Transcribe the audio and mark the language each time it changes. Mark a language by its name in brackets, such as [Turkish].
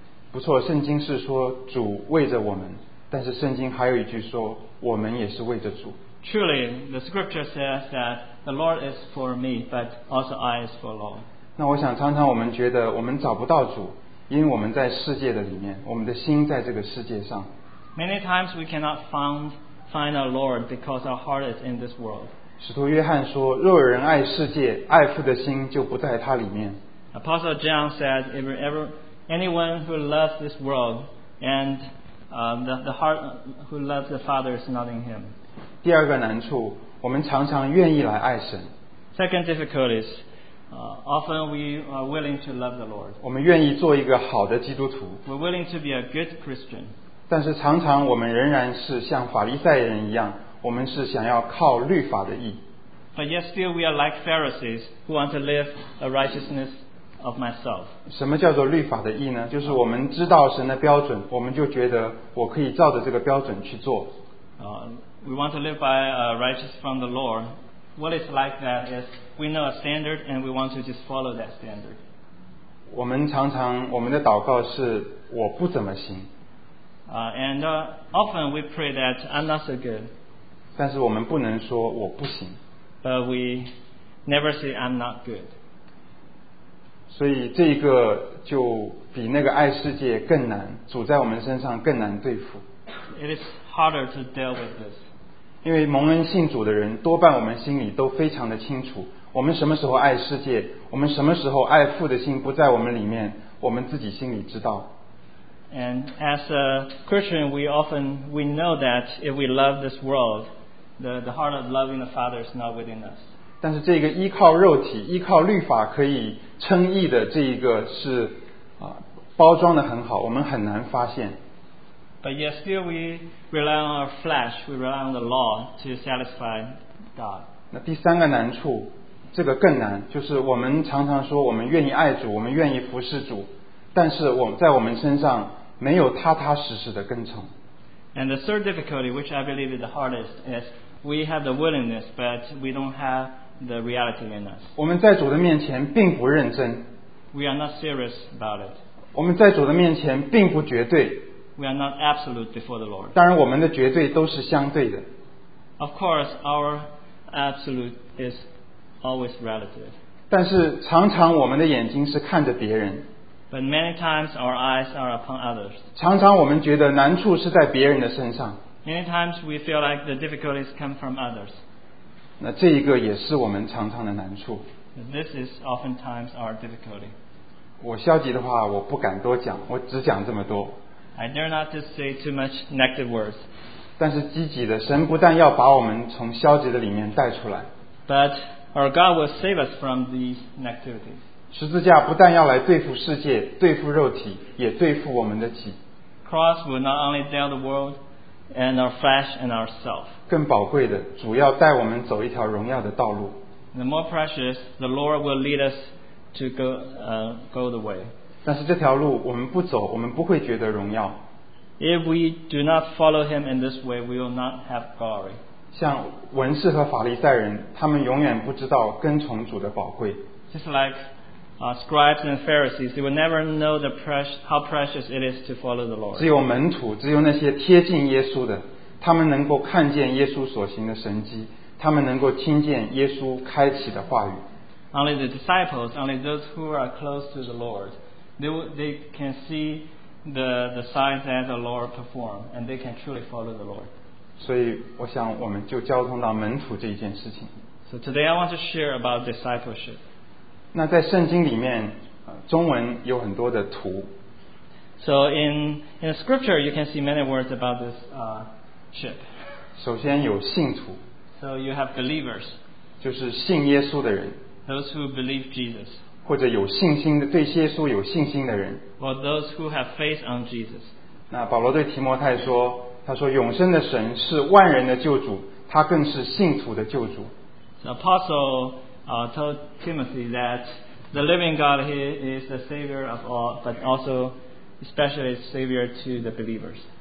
[Chinese] 不错，圣经是说主为着我们，但是圣经还有一句说我们也是为着主。 [English] Truly, the scripture says that the Lord is for me, but also I is for the Lord. [Chinese] 那我想常常我们觉得我们找不到主，因为我们在世界的里面，我们的心在这个世界上。 [English] Many times we cannot find our Lord because our heart is in this world. [Chinese] 使徒约翰说，若有人爱世界，爱父的心就不在他里面。 [English] Apostle John said, if anyone who loves this world and the heart who loves the Father is not in him. [Chinese] 第二个难处，我们常常愿意来爱神。 [English] Second difficulty is, often we are willing to love the Lord. [Chinese] 我们愿意做一个好的基督徒。 [English] We're willing to be a good Christian. [Chinese] 但是常常我们仍然是像法利赛人一样，我们是想要靠律法的义。 [English] But yet still we are like Pharisees who want to live a righteousness of myself. [Chinese] 什么叫做律法的义呢？就是我们知道神的标准，我们就觉得我可以照着这个标准去做。 [English] We want to live by a righteousness from the Lord. What is like that is we know a standard and we want to just follow that standard. [Chinese] 我们常常我们的祷告是我不怎么行。 [English] And often we pray that I'm not so good. [Chinese] 但是我们不能说我不行。 [English] But we never say I'm not good. [Chinese] 所以这个就比那个爱世界更难，主在我们身上更难对付。 [English] It is harder to deal with this. [Chinese] 因为蒙恩信主的人，多半我们心里都非常的清楚，我们什么时候爱世界，我们什么时候爱父的心不在我们里面，我们自己心里知道。 [English] And as a Christian, we know that if we love this world, the heart of loving the Father is not within us. [Chinese] 但是这个依靠肉体、依靠律法可以称义的这一个是啊，包装的很好，我们很难发现。 [English] But yet still we rely on our flesh, we rely on the law to satisfy God. [Chinese] 那第三个难处，这个更难，就是我们常常说我们愿意爱主，我们愿意服侍主。但是我在我们身上没有踏踏实实的跟从。 [English] And the third difficulty, which I believe is the hardest, is we have the willingness, but we don't have the reality in us. [Chinese] 我们在主的面前并不认真。 [English] We are not serious about it. [Chinese] 我们在主的面前并不绝对。 [English] We are not absolute before the Lord. [Chinese] 当然，我们的绝对都是相对的。 [English] Of course, our absolute is always relative. [Chinese] 但是常常我们的眼睛是看着别人。 [English] But many times our eyes are upon others. [Chinese] 常常我们觉得难处是在别人的身上。 [English] Many times we feel like the difficulties come from others. [Chinese] 那这一个也是我们常常的难处。 [English] This is oftentimes our difficulty. [Chinese] 我消极的话，我不敢多讲，我只讲这么多。 [English] I dare not to say too much negative words. [Chinese] 但是积极的，神不但要把我们从消极的里面带出来。 [English] But our God will save us from these negativities. [Chinese] 十字架不但要来对付世界，对付肉体，也对付我们的己。 [English] Cross will not only deal the world and our flesh and ourself. [Chinese] 更宝贵的，主要带我们走一条荣耀的道路。 [English] The more precious, the Lord will lead us to go the way. [Chinese] 但是这条路我们不走，我们不会觉得荣耀。 [English] If we do not follow him in this way, we will not have glory. [Chinese] 像文士和法利赛人，他们永远不知道跟从主的宝贵。 [English] Just likeScribes and Pharisees, they will never know how precious it is to follow the Lord. [Chinese] 只有门徒，只有那些贴近耶稣的，他们能够看见耶稣所行的神迹，他们能够听见耶稣开启的话语。 [English] Only the disciples, only those who are close to the Lord, they can see the signs that the Lord performed, and they can truly follow the Lord. [Chinese] 所以我想我们就交通到门徒这一件事情。 [English] So today I want to share about discipleship. [Chinese] 那在圣经里面，中文有很多的图。 [English] So in the scripture, you can see many words about this ship. [Chinese] 首先有信徒。 [English] So you have believers. [Chinese] 就是信耶稣的人。 [English] Those who believe Jesus. [Chinese] 或者有信心的，对耶稣有信心的人。 [English] Or those who have faith on Jesus. [Chinese] 那保罗对提摩太说，他说永生的神是万人的救主，他更是信徒的救主。 [English] The apostle. Told Timothy that the living God he is the Savior of all, but also especially Savior to the believers.